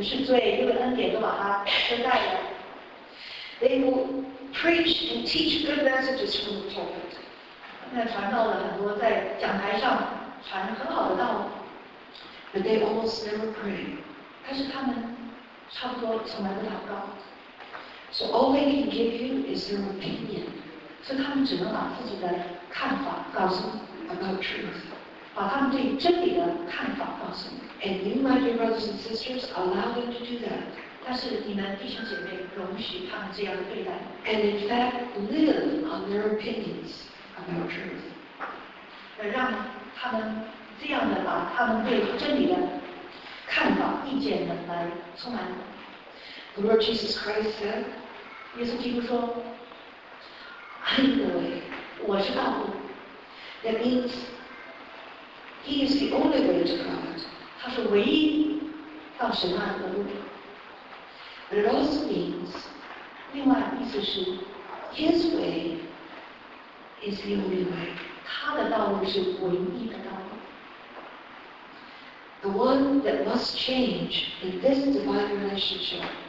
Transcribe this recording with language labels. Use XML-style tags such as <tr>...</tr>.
<zh>刚才说呢，很多人以为是罪的，其实不是罪，因为恩典都把它遮盖了。</zh> <en>They will preach and teach good messages from the pulpit.</en> <zh>那传道的很多在讲台上传很好的道。</zh> <en>But they almost never pray.</en> <zh>但是他们差不多从来不祷告。</zh> <en>So all they can give you is their opinion.</en> <zh>所以他们只能把自己的看法告诉</zh> <en>about truth.</en> <zh>把他们对真理的看法告诉</zh> <en>And you, my dear brothers and sisters, allow them to do that.</en> <zh>但是你们弟兄姐妹容许他们这样的对待。</zh> <en>And in fact, live on their opinions about truth.</en> <zh>让他们 这样的把他们对真理的看法、意见的来充满。</zh> <en>The Lord Jesus Christ said,</en> <zh>耶稣基督说,</zh> <en>I am the way.</en> <zh>我是道路。</zh> <en>That means He is the only way to God.</en> <zh>他是唯一到神那里的路。</zh> <en>But it also means,</en> <zh>另外意思是,</zh> <en>His way is the only way.</en> <zh>他的道路是唯一的道路。</zh> <en>The one that must change in this divine relationship.</en>